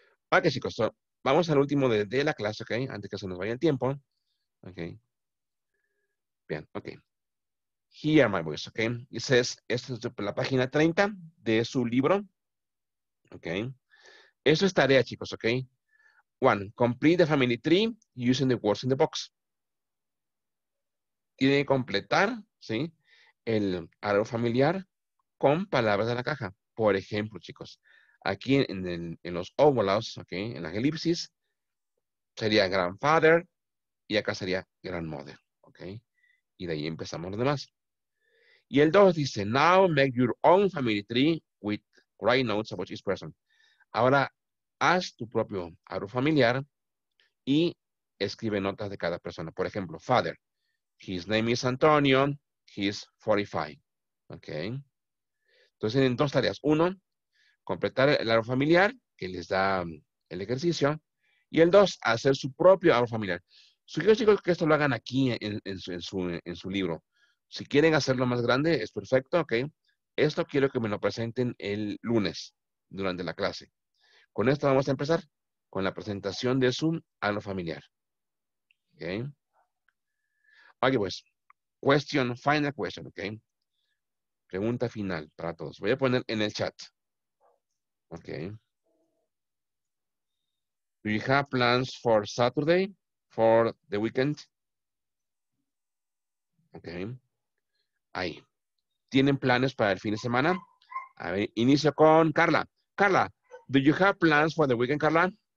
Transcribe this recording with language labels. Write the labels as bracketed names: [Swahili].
[Spanish] Ok, chicos, so, vamos al último de la clase, ¿ok? Antes que se nos vaya el tiempo, ¿ok? Bien, ok. [English] Hear my voice, [Spanish] ok. Dice, esta es la página 30 de su libro, ok. Eso es tarea, chicos, ok. [English] One, complete the family tree using the words in the box. [Spanish] Tiene que completar, ¿sí? El árbol familiar con palabras de la caja. Por ejemplo, chicos, aquí en los óvulos, ok, en las elipsis, sería grandfather y acá sería grandmother, ok. Y de ahí empezamos los demás. Y el 2 dice, [English] now make your own family tree with write notes about each person. [Spanish] Ahora, haz tu propio árbol familiar y escribe notas de cada persona. Por ejemplo, [English] father, his name is Antonio, he's 45. Ok. [Spanish] Entonces, tienen dos tareas. Uno, completar el árbol familiar, que les da el ejercicio. Y el 2, hacer su propio árbol familiar. Sugiero, chicos, que esto lo hagan aquí en su libro. Si quieren hacerlo más grande, es perfecto, ¿ok? Esto quiero que me lo presenten el lunes, durante la clase. Con esto vamos a empezar con la presentación de su árbol familiar. ¿Ok? Ok, pues. [English] Question, final question, [Spanish] ¿ok? Pregunta final para todos. Voy a poner en el chat. [English] Okay. Do you have plans for Saturday for the weekend? [Spanish] Okay. Ahí. ¿Tienen planes para el fin de semana? A ver, inicio con Carla. [English] Carla, do you have plans for the weekend, Carla?